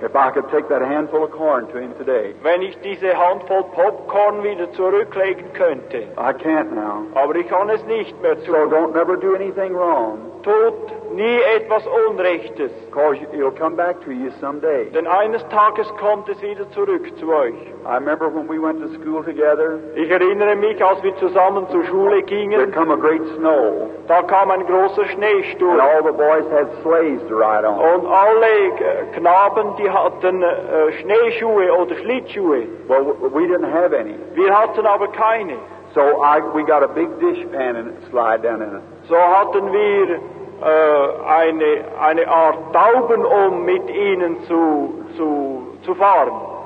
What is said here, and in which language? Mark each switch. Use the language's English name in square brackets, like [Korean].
[English] If I could take that handful of corn to him today. [German] Wenn ich diese Handvoll Popcorn wieder zurücklegen könnte. [English] I can't now. [German] Aber ich kann es nicht mehr tun. [English] So don't never do anything wrong. [German] Tut nie etwas Unrechtes. [English] Cause it'll come back to you someday. [German] Denn eines Tages kommt es wieder zurück zu euch. [English] I remember when we went to school together. [German] Ich erinnere mich, als wir zusammen zur Schule gingen. [English] There come a great snow. [German] Da kam ein großer Schneesturm. [English] And all the boys had sleighs to ride on. [German] Und alle Knaben, die hatten Schneeschuhe oder Schlittschuhe. [English] Well, we didn't have any. [German] Wir hatten aber keine. [English] So we got a big dishpan and it slid down in it. [German] So hatten wir eine Art Tauben, um mit ihnen zu fahren.